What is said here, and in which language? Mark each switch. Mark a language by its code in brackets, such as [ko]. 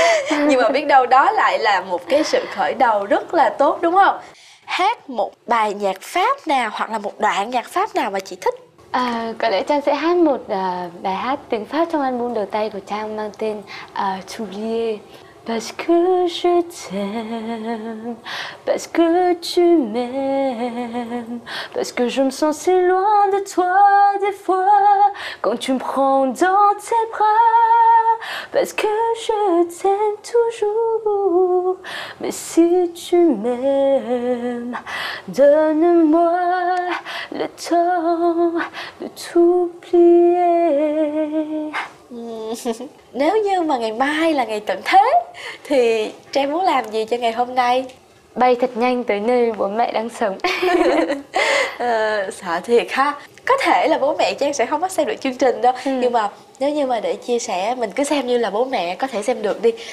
[vi] Nhưng mà biết đâu đó lại là một cái sự khởi đầu rất là tốt đúng không? Hát một bài nhạc Pháp nào hoặc là một đoạn nhạc Pháp nào mà chị thích? Có lẽ Trang sẽ hát một bài hát tiếng Pháp trong album đầu tay của Trang mang tên Julie. [fr] Parce que je t'aime, parce que tu m'aimes, parce que je me sens si loin de toi des fois, quand tu me prends dans tes bras, parce que je t'aime toujours, mais si tu m'aimes, donne-moi le temps de t'oublier. [vi] Nếu như mà ngày mai là ngày tận thế thì Trang muốn làm gì cho ngày hôm nay? Bay thật nhanh tới nơi bố mẹ đang sống. Sợ thiệt ha. Có thể là bố mẹ Trang sẽ không có xem được chương trình đâu. Nhưng mà nếu như mà để chia sẻ, mình cứ xem như là bố mẹ có thể xem được đi.